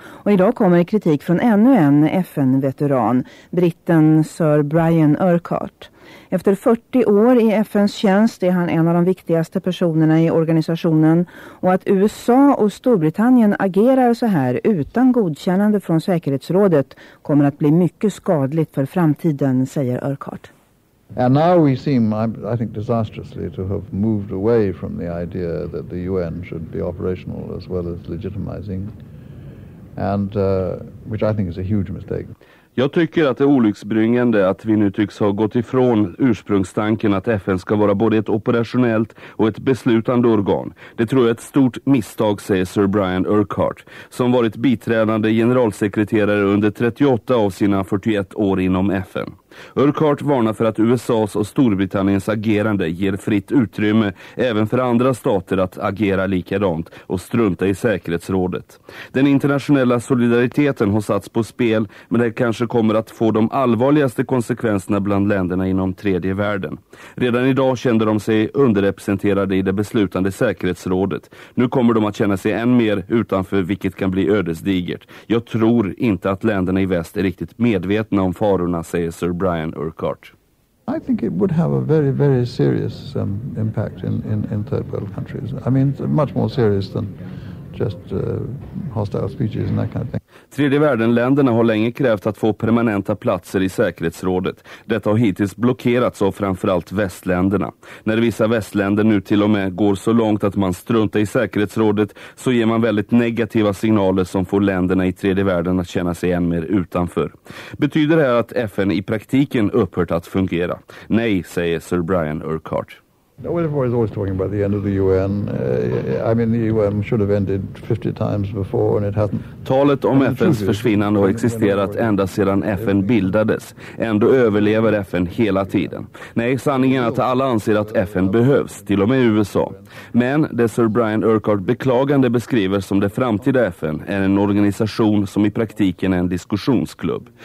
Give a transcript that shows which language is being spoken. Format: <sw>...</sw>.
<sv>Och idag kommer kritik från ännu en FN-veteran, britten Sir Brian Urquhart. Efter 40 år i FNs tjänst är han en av de viktigaste personerna i organisationen. Och att USA och Storbritannien agerar så här utan godkännande från säkerhetsrådet kommer att bli mycket skadligt för framtiden, säger Urquhart.</sv> <en>And now we seem, I think, disastrously to have moved away from the idea that the UN should be operational as well as legitimizing, and which I think is a huge mistake.</en> <sv>Jag tycker att det är olycksbringande att vi nu tycks ha gått ifrån ursprungstanken att FN ska vara både ett operationellt och ett beslutande organ. Det tror jag är ett stort misstag, säger Sir Brian Urquhart, som varit biträdande generalsekreterare under 38 av sina 41 år inom FN. Urquhart varnar för att USAs och Storbritanniens agerande ger fritt utrymme även för andra stater att agera likadant och strunta i säkerhetsrådet. Den internationella solidariteten har satts på spel, men det kanske kommer att få de allvarligaste konsekvenserna bland länderna inom tredje världen. Redan idag kände de sig underrepresenterade i det beslutande säkerhetsrådet. Nu kommer de att känna sig än mer utanför, vilket kan bli ödesdigert. Jag tror inte att länderna i väst är riktigt medvetna om farorna, säger Sir Brian Urquhart.</sv> <en>I think it would have a very, very serious impact in third world countries. I mean, much more serious than just hostile speeches and that kind of thing.</en> <sv>Tredje världen-länderna har länge krävt att få permanenta platser i säkerhetsrådet. Detta har hittills blockerats av framförallt västländerna. När vissa västländer nu till och med går så långt att man struntar i säkerhetsrådet, så ger man väldigt negativa signaler som får länderna i tredje världen att känna sig än mer utanför. Betyder det här att FN i praktiken upphört att fungera? Nej, säger Sir Brian Urquhart.</sv> <en>No, everybody's always talking about the end of the UN. I mean, the UN should have ended 50 times before and it hasn't.</en> <sv>Talet om FNs försvinnande har existerat ända sedan FN bildades. Ändå överlever FN hela tiden. Nej, sanningen är att alla anser att FN behövs, till och med USA. Men det Sir Brian Urquhart beklagande beskriver som det framtida FN är en organisation som i praktiken är en diskussionsklubb.</sv>